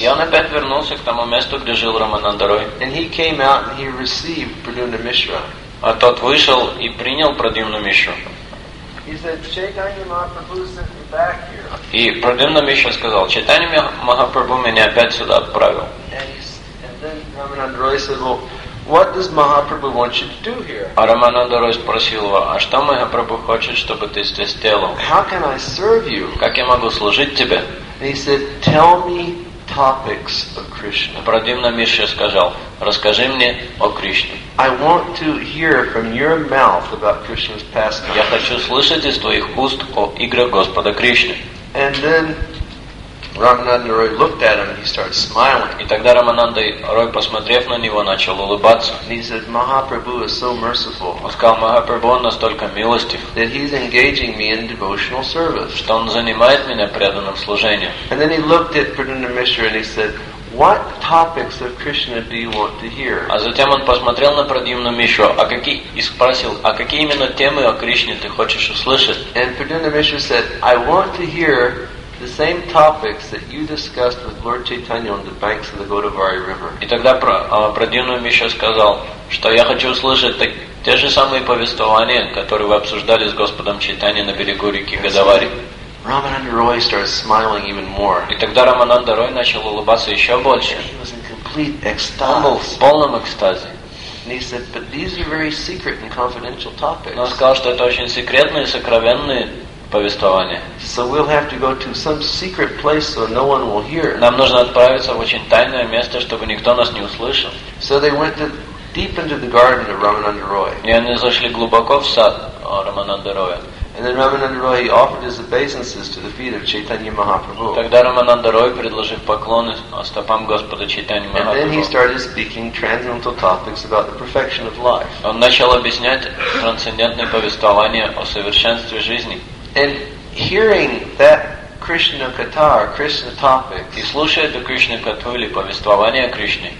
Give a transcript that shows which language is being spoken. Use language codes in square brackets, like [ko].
[ru] И он опять вернулся к тому месту, где жил Рамананда Рой. [en] And he came out and he received Pradyumna Mishra. [ru] А тот вышел и принял Прадьюмну Мишру. [en] He said, "Chaitanya Mahaprabhu sent me back here." [ru] И Прадьюмна Мишра сказал, "Чайтанья Махапрабху меня опять сюда отправил." [en] And then Ramananda Roy said, "Well, what does Mahaprabhu want you to do here?" [ru] А Рамананда Рой спросил его, а что Махапрабху хочет, чтобы ты здесь делал? [en] How can I serve you? [ru] Как я могу служить тебе? [en] And he said, "Tell me topics of Krishna." [ru] Прадьюмна Мишра сказал, расскажи мне о Кришне. [en] I want to hear from your mouth about Krishna's pastimes. [ru] Я хочу слышать из твоих уст о играх Господа Кришны. [en] And then Ramananda Roy looked at him and he started smiling. [ru] И тогда Рамананда Рой, посмотрев на него, начал улыбаться. [en] And he said, "Mahaprabhu is so merciful." [ru] Он сказал, Махапрабху настолько милостив. [en] That he's engaging me in devotional service. [ru] Что он занимает меня преданным служением. [en] And then he looked at Pradyumna Mishra and he said, "What topics of Krishna do you want to hear?" [ru] А затем он посмотрел на Прадьюмну Мишру, и спросил, какие именно темы о Кришне ты хочешь услышать? [en] And Pradyumna Mishra said, "I want to hear the same topics that you discussed with Lord Chaitanya on the banks of the Godavari River." [ru] И тогда Прадьюмна Мишра сказал, что я хочу услышать те же самые повествования, которые вы обсуждали с Господом Чайтаньей на берегу реки Годавари. [en] Ramananda Roy started smiling even more. [ru] И тогда Рамананда Рой начал улыбаться еще больше. [en] He was in complete ecstasy. [ru] Он был в полном экстазе. [en] And he said, "But these are very secret and confidential topics." [ru] Но он сказал, что это очень секретные, сокровенные повествования. [en] So we'll have to go to some secret place so no one will hear. [ru] Нам нужно отправиться в очень тайное место, чтобы никто нас не услышал. [en] So they went deep into the garden of Ramananda Roy. [ru] И они зашли глубоко в сад Рамананда Роя. [en] And then Ramananda Roy offered his obeisances to the feet of Chaitanya Mahaprabhu. [ru] Тогда Рамананда Рой предложил поклоны стопам Господа Чайтаньи Махапрабху. [en] And then he started speaking transcendental topics about the perfection of life. [ru] Он начал объяснять трансцендентные повествования о совершенстве жизни. [en] And hearing that Krishna katha, Krishna topics, [ru] и слушая эту Кришна катху или повествование о Кришне,